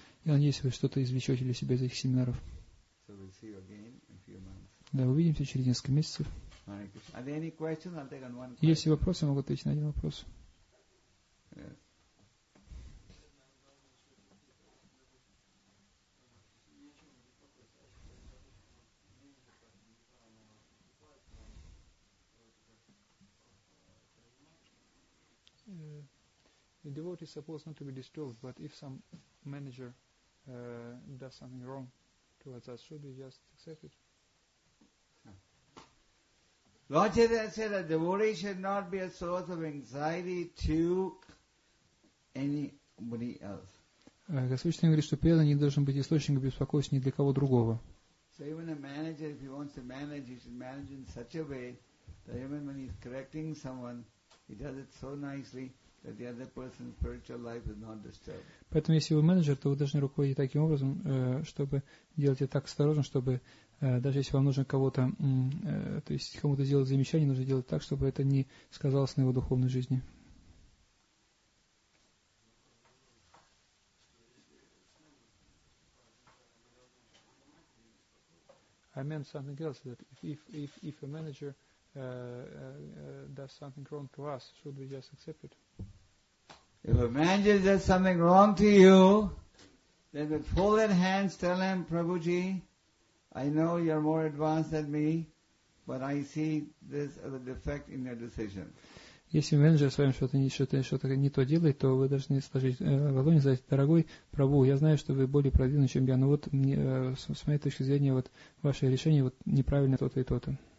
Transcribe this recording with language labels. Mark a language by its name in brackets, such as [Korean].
[Russian] Я надеюсь, вы что-то извлечете для себя из этих семинаров. [English] So we'll see you again in a few months. [Russian] Да, увидимся через несколько месяцев. [English] Are there any questions? I'll take on one question. [Russian] Если вопросы, я могу ответить на один вопрос. [English] Yes. The devotee is supposed not to be disturbed, but if some manager does something wrong towards us, should we just accept it? Lord Chaitanya said that the devotee should not be a source of anxiety to anybody else. [Russian] Господь Чайтанья говорит, что преданный не должен быть источником беспокойства ни для кого другого. [English] So even a manager, if he wants to manage, he should manage in such a way that even when he's correcting someone, he does it so nicely that the other person's spiritual life is not disturbed. [Russian] Поэтому, если вы менеджер, то вы должны руководить таким образом, чтобы делать это так осторожно, чтобы даже если вам нужно кого-то, то есть кому-то сделать замечание, нужно делать так, чтобы это не сказалось на его духовной жизни. [English] I meant something else. That if a manager does something wrong to us, should we just accept it? If a manager does something wrong to you, then with folded hands tell him, Prabhuji, I know you're more advanced than me, but I see this as a defect in your decision. [Russian] Если менеджер с вами что-то не то делает, то вы должны сложить ладони и сказать, дорогой Прабху, я знаю, что вы более продвинутый, чем я, но вот мне, с моей точки зрения, вот ваше решение вот неправильное то-то и то-то.